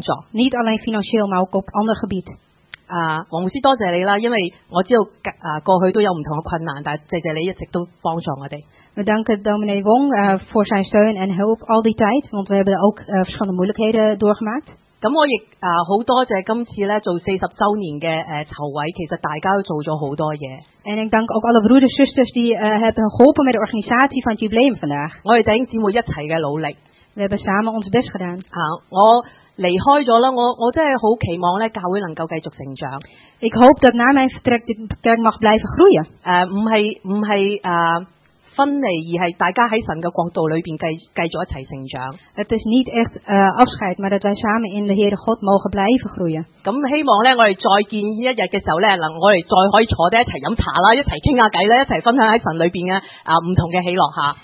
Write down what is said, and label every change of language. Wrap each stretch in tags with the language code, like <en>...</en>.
<nl>Niet alleen financieel, maar ook op ander gebied.</nl> <yue>王牧师多谢你啦，因为我知道过去都有唔同嘅困难，但系谢谢你一直都帮助我哋。</yue> <nl>We danken dominee Wong voor zijn steun en hulp al die tijd, want we hebben ook verschillende moeilijkheden doorgemaakt.</nl> <yue>咁我亦好多谢今次咧做四十周年嘅筹委，其实大家都做咗好多嘢。</yue> <nl>En ik dank ook alle broeders zusters die hebben geholpen met de organisatie van het jubileum vandaag.</nl> <yue>我哋弟兄姊妹一齐嘅努力。</yue> <nl>We hebben samen ons best gedaan.</nl> <yue>我离开咗啦，我真系好期望咧教会能够继续成长。</yue> <nl>Ik hoop dat na mijn vertrek de kerk mag blijven groeien.</nl> <yue>唔系分离，而系大家喺神嘅国度里边继续一齐成长。</yue> <nl>Het is niet echt afscheid, maar dat wij samen in de Heere God mogen blijven groeien.</nl> <yue>咁希望咧，我哋再见一日嘅时候咧，我哋再可以坐低一齐饮茶啦，一齐倾下偈啦，一齐分享喺神里边嘅唔同嘅喜乐吓。</yue>